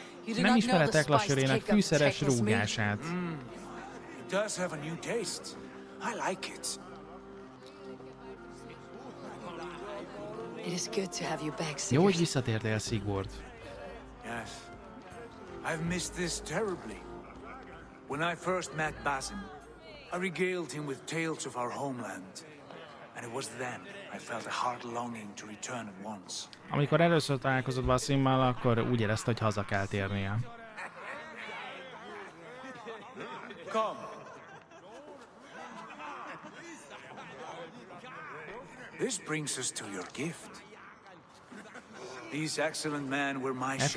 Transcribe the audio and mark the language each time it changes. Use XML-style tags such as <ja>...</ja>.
<en>You do not know the</en> <hu>teklasörének fűszeres rúgását.</hu> <en>It does have a new taste. I like it. It is good to have you back,</en> <hu>Sigurd. Jó, hogy visszatértél, Sigurd.</hu> <en>Yes. I've missed this terribly. When I first met Bazin, I regaled him with tales of our homeland. And it was then I felt a heart longing to return at once.</en> <hu>Amikor először találkozott Bazinmal, akkor úgy érezte, hogy haza kell térnie.</hu> <en>Come. This brings us to your gift. These excellent men were my shepherds.</en>